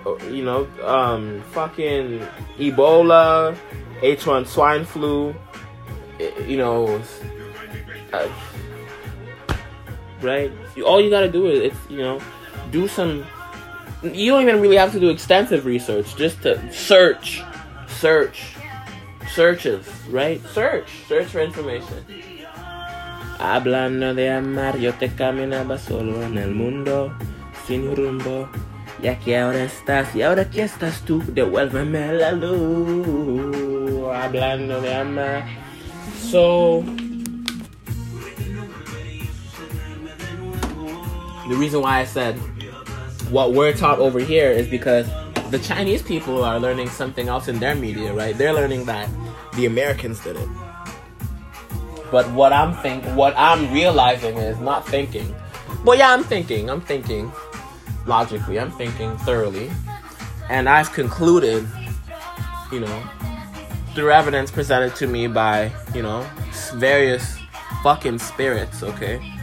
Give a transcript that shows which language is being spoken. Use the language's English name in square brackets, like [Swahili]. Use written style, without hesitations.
[English] you know, fucking Ebola, H1 swine flu, you know, right? All you gotta do is, you know, do some, you don't even really have to do extensive research, just to search for information. [Spanish] Hablando de amar, yo te caminaba solo en el mundo, sin rumbo. Ya que ahora estás, y ahora que estás tú, devuélveme la luz. Hablando de amar. [English] So, the reason why I said what we're taught over here is because the Chinese people are learning something else in their media, right? They're learning that the Americans did it. But I'm thinking logically, I'm thinking thoroughly, and I've concluded, you know, through evidence presented to me by, you know, various fucking spirits, okay?